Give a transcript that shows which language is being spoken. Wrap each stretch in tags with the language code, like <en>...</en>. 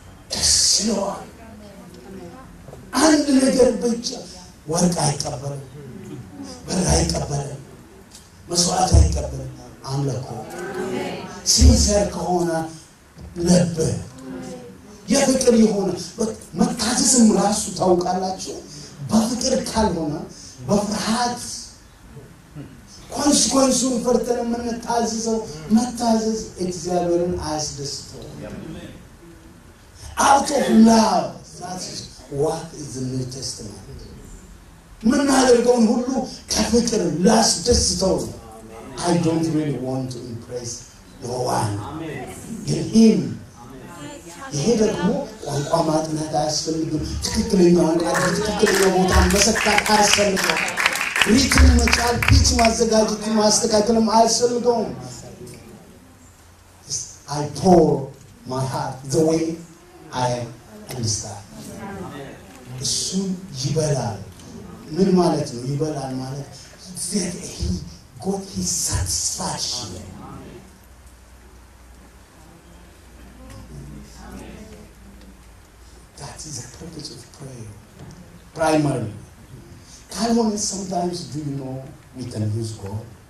<am>ደስ ይለዋል። አንድ ነገር ብቻ ወርቅ አይቀበልም፣ ብር አይቀበልም፣ መስዋዕት አይቀበልም። አምላኮ ሲንሰር ከሆነ ልብ የፍቅር የሆነ መታዘዝም ራሱ ታውቃላችሁ። በፍቅር ካልሆነ በፍርሃት ኮንስኮንሱን ፈርተን የምንታዘዘው መታዘዝ እግዚአብሔርን አያስደስተውም።</am> <en>Out of love, that is what is the New Testament.</en> <am>ምናደርገውን ሁሉ ከፍቅር ላስደስተው።</am> <en>I don't really want to impress no one. In him.</en> <am>ይሄ ደግሞ ቋንቋ ማጥናት አያስፈልግም። ትክክለኛውን ቃል ትክክለኛ ቦታ መሰካት አያስፈልግም። ሪትም መጫን፣ ፒች ማዘጋጀት ማስተካከልም አያስፈልግም።</am> <en>I pour my heart the way I understand.</en> <am>እሱን ይበላል። ምን ማለት ነው ይበላል ማለት?</am> <en>ዘይ God is satisfied. That is the purpose of prayer, primarily. Calvin, sometimes do you know we can use God?</en>